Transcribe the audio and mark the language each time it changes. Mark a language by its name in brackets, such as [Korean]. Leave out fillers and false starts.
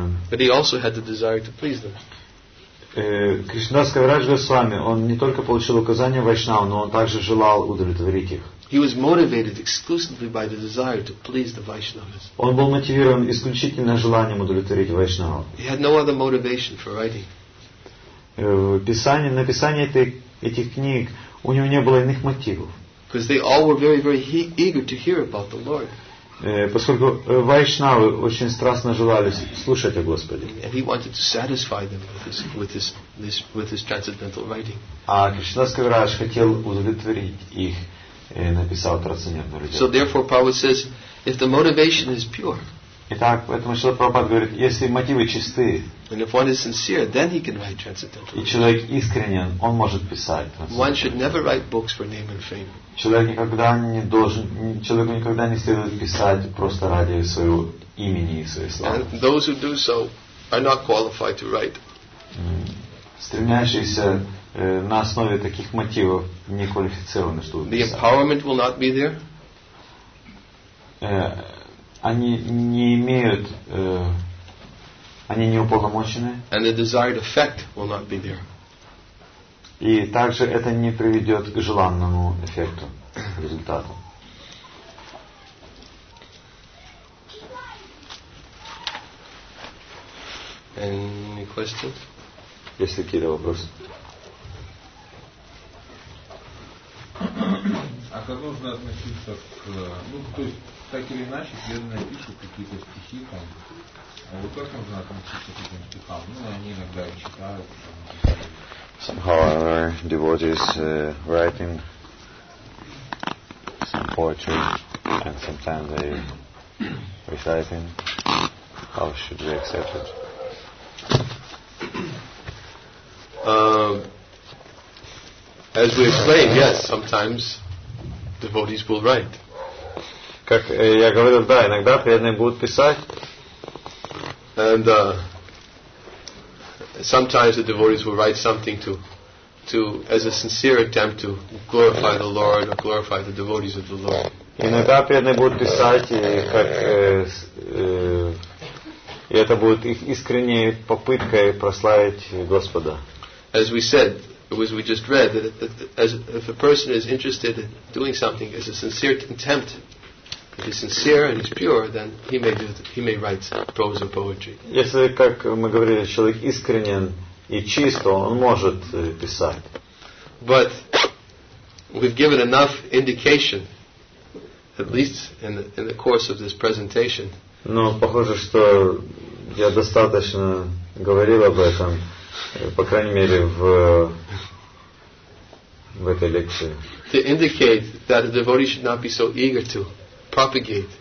[English] But he also had the desire to please them. [Russian] Кришна Дас Кавираджа Госвами, он не только получил указания Вайшнава, но он также желал удовлетворить их. [English] He was motivated exclusively by the desire to please the Vaishnavas. [Russian] Он был мотивирован исключительно желанием удовлетворить Вайшнава. [English] He had no other motivation for writing. [Russian] Написание этих книг у него не было иных мотивов. [English] Because they all were very, very eager to hear about the Lord. [Russian] Поскольку вайшнавы очень страстно желали слушать о Господе. [English] And he wanted to satisfy them with his transcendental writing. [Russian] А Кришнадас Кавираджа хотел удовлетворить их, написал трансцендентную литературу. [English] So therefore, Prabhupada says, if the motivation is pure. [Russian] Итак, поэтому Шрила Прабхупада говорит, если мотивы чисты, [English] and if one is sincere, then he can write transcendental. [Russian] И человек искренен, он может писать. [English] One should never write books for name and fame. [Russian] Человеку никогда не следует писать просто ради своего имени и своей славы. [English] And those who do so are not qualified to write. [Russian] Стремящиеся на основе таких мотивов не квалифицированы, чтобы писать. [English] The empowerment will not be there. [Russian] Они не имеют, они не уполномочены. [English] And the desired effect will not be there. [Russian] И также это не приведет к желанному эффекту, результату. [English] Any questions? [Russian] Есть ли какие-то вопросы? А как нужно относиться к... Ну, то есть, так или иначе, преданные пишут какие-то стихи там. А вот как нужно относиться к этим стихам? Ну, они иногда и читают. [English] Somehow our devotees writing some poetry and sometimes they reciting. How should we accept it? As we explained, yes, sometimes devotees will write. [Russian] Как я говорил, да, иногда преданные будут писать. [English] And sometimes the devotees will write something to as a sincere attempt to glorify the Lord or glorify the devotees of the Lord. [Russian] Иногда преданные будут писать, как, и это будет их искренней попыткой прославить Господа. [English] As we said, as we just read, that as if a person is interested in doing something as a sincere attempt, if he's sincere and he's pure, then he may do, he may write prose and poetry. [Russian] Если, как мы говорили, человек искренен и чист, он может писать. [English] But we've given enough indication, at least in the course of this presentation. [Russian] Но похоже, что я достаточно говорил об этом, по крайней мере в этой лекции. [English] To indicate that a devotee should not be so eager to propagate.